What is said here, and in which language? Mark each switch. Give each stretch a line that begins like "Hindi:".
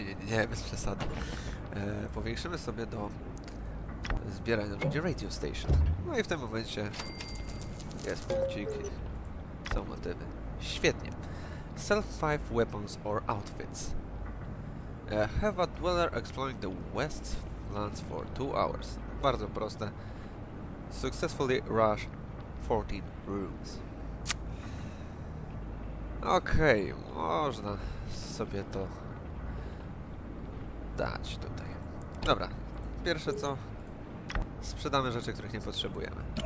Polish: Nie, bez przesady. Powiększymy sobie do zbierania ludzi radio station. No i w tym momencie jest punkcik. Są motywy. Świetnie.
English: Sell 5 weapons or outfits. Have a dweller exploring the west lands for 2 hours.
Polish: Bardzo proste.
English: Successfully rush 14 rooms.
Polish: Okej, można sobie to dać tutaj. Dobra, pierwsze co, sprzedamy rzeczy, których nie potrzebujemy.